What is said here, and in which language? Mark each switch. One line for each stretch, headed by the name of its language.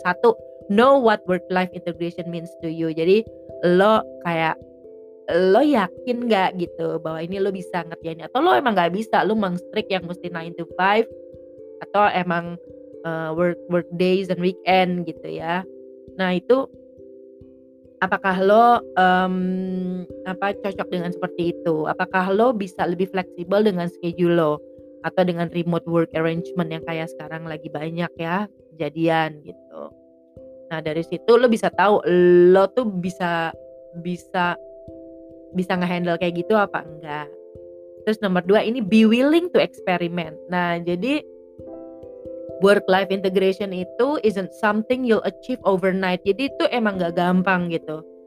Indonesian: Satu,
English: know what work life integration means to you.
Indonesian: Jadi lo kayak lo yakin nggak gitu bahwa ini lo bisa ngerjainnya, atau lo emang nggak bisa, lo emang strict yang mesti
English: 9 to 5,
Indonesian: atau emang
English: work days and weekend
Indonesian: gitu ya. Nah itu, apakah lo cocok dengan seperti itu? Apakah lo bisa lebih fleksibel dengan schedule lo atau dengan remote work arrangement yang kayak sekarang lagi banyak ya kejadian gitu? Nah, dari situ lo bisa tahu lo tuh bisa nge-handle kayak gitu apa enggak. Terus nomor 2 ini
English: be willing to experiment.
Indonesian: Nah, jadi
English: work life integration
Indonesian: itu
English: isn't something you'll achieve overnight.
Indonesian: Jadi itu emang gak gampang gitu.